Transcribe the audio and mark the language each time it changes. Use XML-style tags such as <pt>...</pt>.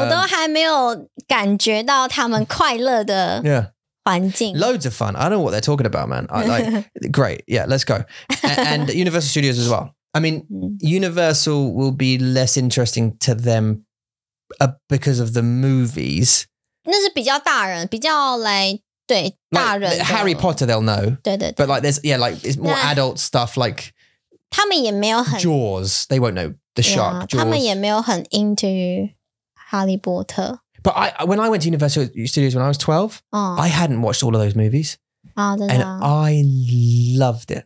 <zh>我都还没有感觉到他们快乐的环境。</zh> <en>Yeah. Loads of fun. I don't know what they're talking about, man. Great. Yeah, let's go. And Universal Studios as well. I mean, Universal will be less interesting to them because of the movies.</en> <zh>那是比较大人,比较来对,</zh> <en>like,</en> <zh>大人的,</zh> <en>Harry Potter, they'll know.</en> <zh>对对对,</zh> <en>but like, there's, yeah, like, it's more adult stuff, like,</en> <zh>他们也没有很,</zh> <en>Jaws, they won't know the shark,</en> <zh>Jaws. 他们也没有很 into 哈利波特。</zh> <en>But when I went to Universal Studios when I was 12, I hadn't watched all of those movies. And I loved it.</en>